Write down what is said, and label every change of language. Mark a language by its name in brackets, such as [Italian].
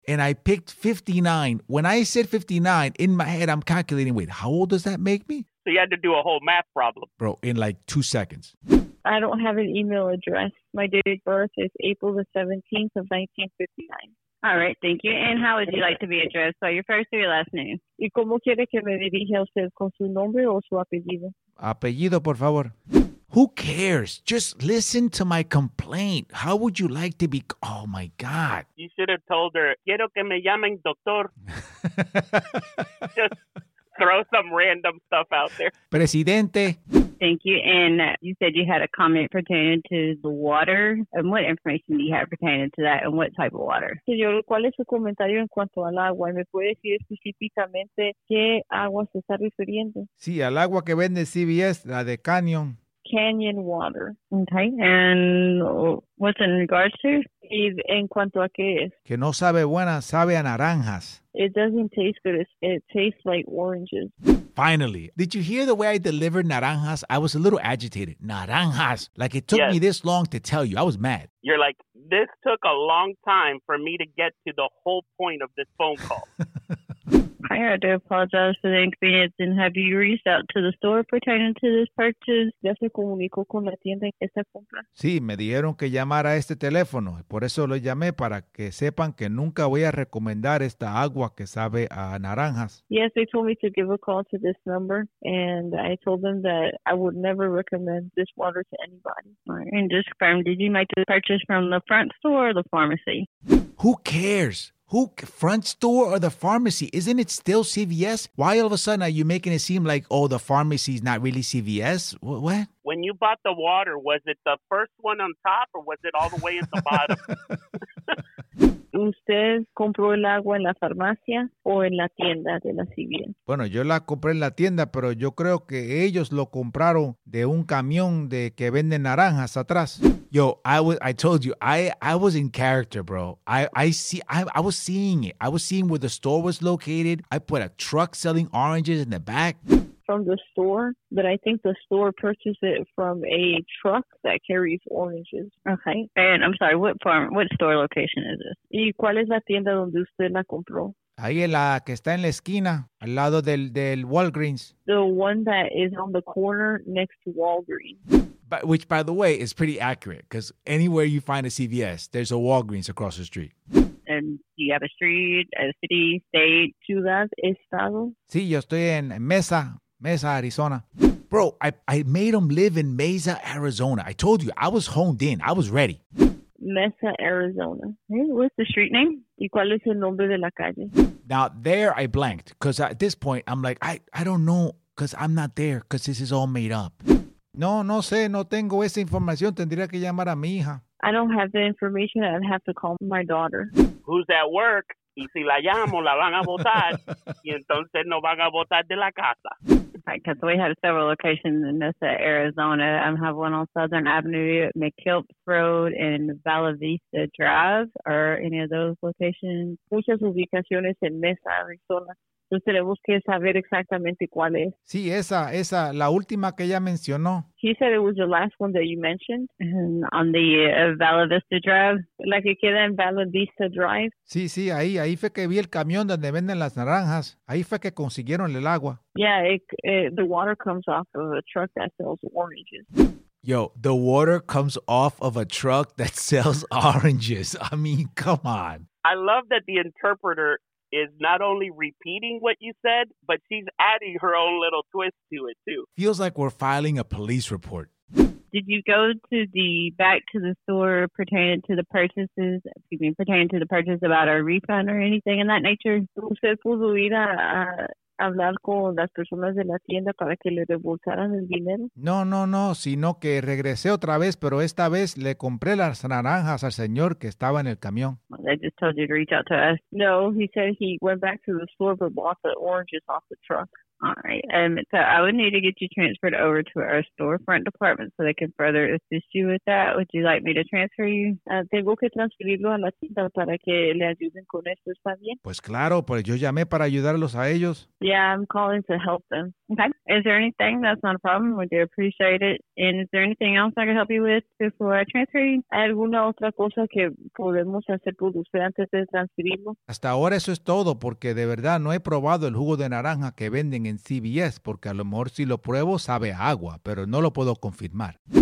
[English] And I picked 59. When I said 59, in my head, I'm calculating, wait, how old does that make me? So you had to do a whole math problem. Bro, in like 2 seconds. I don't have an email address. My date of birth is April 17th, 1959. All right, thank you. And how would you like to be addressed? So your first or your last name? [Spanish] ¿Y cómo quiere que me dirija usted, con su nombre o su apellido? Apellido, por favor. [English] Who cares? Just listen to my complaint. How would you like to be? Oh, my God. You should have told her, [Spanish] quiero que me llamen doctor. [English] Just throw some random stuff out there. [Spanish] Presidente. [English] Thank you. And you said you had a comment pertaining to the water. And what information do you have pertaining to that? And what type of water? [Spanish] Señor, ¿cuál es su comentario en cuanto al agua? ¿Me puede decir específicamente qué agua se está refiriendo? Sí, al agua que vende CVS, la de Canyon. [English] Canyon water. Okay. And what's in regards to? [Spanish] ¿Y en cuanto a qué es? Que no sabe buena, sabe a naranjas. [English] It doesn't taste good. It tastes like oranges. Finally, did you hear the way I delivered naranjas? I was a little agitated. Naranjas. Like, it took me this long to tell you. I was mad. You're like, this took a long time for me to get to the whole point of this phone call. I had to apologize for the inconvenience, and have you reached out to the store pertaining to this purchase? [Spanish] Ya se comunicó con la tienda en que se compra. Sí, me dijeron que llamara a este teléfono. Por eso lo llamé, para que sepan que nunca voy a recomendar esta agua que sabe a naranjas. [English] Yes, they told me to give a call to this number, and I told them that I would never recommend this water to anybody. And just confirm, did you make the purchase from the front store or the pharmacy? Who cares? Who, front store or the pharmacy? Isn't it still CVS? Why all of a sudden are you making it seem like, oh, the pharmacy is not really CVS? What? When you bought the water, was it the first one on top or was it all the way at the bottom? [Spanish] ¿Usted compró el agua en la farmacia o en la tienda de la CVS? Bueno, yo la compré en la tienda, pero yo creo que ellos lo compraron de un camión de que venden naranjas atrás. [English] Yo, I told you, I was in character, bro. I was seeing it. I was seeing where the store was located. I put a truck selling oranges in the back. From the store, but I think the store purchased it from a truck that carries oranges. Okay. And I'm sorry, what store location is this? [Spanish] ¿Y cuál es la tienda donde usted la compró? Ahí en la que está en la esquina, al lado del Walgreens. [English] The one that is on the corner next to Walgreens. But which, by the way, is pretty accurate, because anywhere you find a CVS, there's a Walgreens across the street. And do you have a street, a city, state, [Spanish] ciudad, estado? [English] Sí, yo estoy en Mesa, Arizona. Bro, I made them live in Mesa, Arizona. I told you, I was honed in. I was ready. Mesa, Arizona. Hey, what's the street name? [Spanish] ¿Y cuál es el nombre de la calle? [English] Now, there I blanked, because at this point, I'm like, I don't know, because I'm not there, because this is all made up. [Spanish] No, no sé, no tengo esa información. Tendría que llamar a mi hija. [English] I don't have the information. I'd have to call my daughter. Who's at work? [Spanish] Y si la llamo, la van a botar. Y entonces no van a botar de la casa. [English] Because we have several locations in Mesa, Arizona. I have one on Southern Avenue, McKilp Road, and Bella Vista Drive. Are any of those locations? [Spanish] Muchas ubicaciones en Mesa, Arizona. Entonces tenemos que saber exactamente cuál es. Sí, esa, la última que ella mencionó. [English] He said it was the last one that you mentioned on the Bella Vista Drive. [Spanish] La que queda en Bella Vista Drive. Sí, sí, ahí fue que vi el camión donde venden las naranjas. Ahí fue que consiguieron el agua. [English] Yeah, the water comes off of a truck that sells oranges. Yo, the water comes off of a truck that sells oranges. I mean, come on. I love that the interpreter is not only repeating what you said, but she's adding her own little twist to it, too. Feels like we're filing a police report. Did you go to the back to the store pertaining to the purchase about a refund or anything in that nature? [Spanish] ¿Usted pudo ir a hablar con las personas de la tienda para que le devolvieran el dinero? No, sino que regresé otra vez, pero esta vez le compré las naranjas al señor que estaba en el camión. [English] I just told you to reach out to us. No, he said he went back to the store but bought the oranges off the truck. All right. So I would need to get you transferred over to our storefront department so they can further assist you with that. Would you like me to transfer you? [Spanish] Tengo que transferirlo a la tienda para que le ayuden con esto, ¿está bien? Pues claro, pues yo llamé para ayudarlos a ellos. [English] Yeah, I'm calling to help them. Okay. Is there anything? That's not a problem. Would you appreciate it? And is there anything else I can help you with before I transfer you? [Spanish] ¿Hay alguna otra cosa que podemos hacer por usted antes de transferirlo? Hasta ahora eso es todo, porque de verdad no he probado el jugo de naranja que venden en CVS, porque a lo mejor si lo pruebo sabe a agua, pero no lo puedo confirmar.